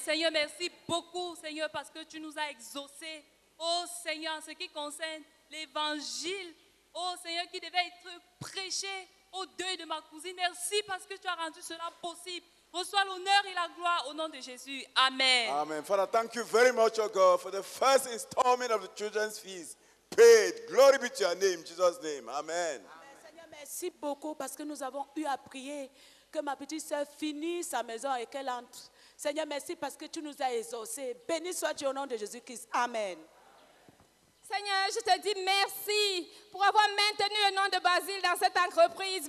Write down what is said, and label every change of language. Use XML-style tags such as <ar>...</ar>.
<fr>Seigneur, merci beaucoup, Seigneur, parce que tu nous as exaucés. Ô Seigneur, en ce qui concerne l'évangile, ô Seigneur, qui devait être prêché au deuil de ma cousine, merci parce que tu as rendu cela possible. Reçois l'honneur et la gloire au nom de Jésus. Amen. Amen.</fr> <en>Father, thank you very much, O God, for the first installment of the children's fees paid. Glory be to your name, Jesus' name. Amen. Amen.</en> <fr>Merci beaucoup parce que nous avons eu à prier que ma petite sœur finisse sa maison et qu'elle entre. Seigneur, merci parce que tu nous as exaucés. Béni sois-tu au nom de Jésus-Christ. Amen. Seigneur, je te dis merci pour avoir maintenu le nom de Basile dans cette entreprise.</fr>